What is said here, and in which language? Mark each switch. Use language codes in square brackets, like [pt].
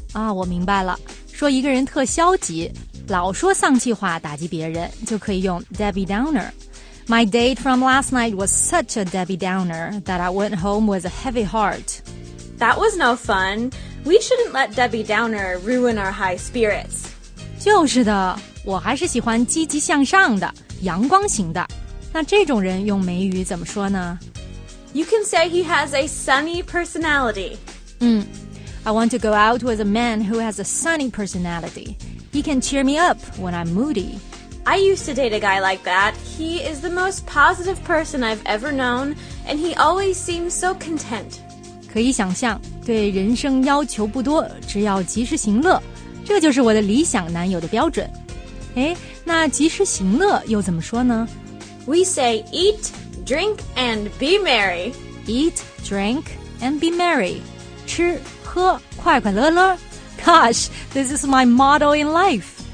[zh] 啊，我明白了。说一个人特消极，老说丧气话打击别人，就可以用 Debbie Downer. [en] My date from last night was such a Debbie Downer that I went home with a heavy heart. That was no fun. We shouldn't let Debbie Downer ruin our high spirits. [zh] 就是的，我还是喜欢积极向上的，阳光型的。那这种人用美语怎么说呢 [en] ？You can say he has a sunny personality. I want to go out with a man who has a sunny personality. He can cheer me up when I'm moody. I used to date a guy like that. He is the most positive person I've ever known, and he always seems so content. [zh] 可以想象，对人生要求不多，只要及时行乐，这就是我的理想男友的标准。哎，那及时行乐又怎么说呢？ [en] We say eat, drink, and be merry. Eat, drink, and be merry. [zh] 吃喝快快乐乐 [en] Gosh, this is my motto in life.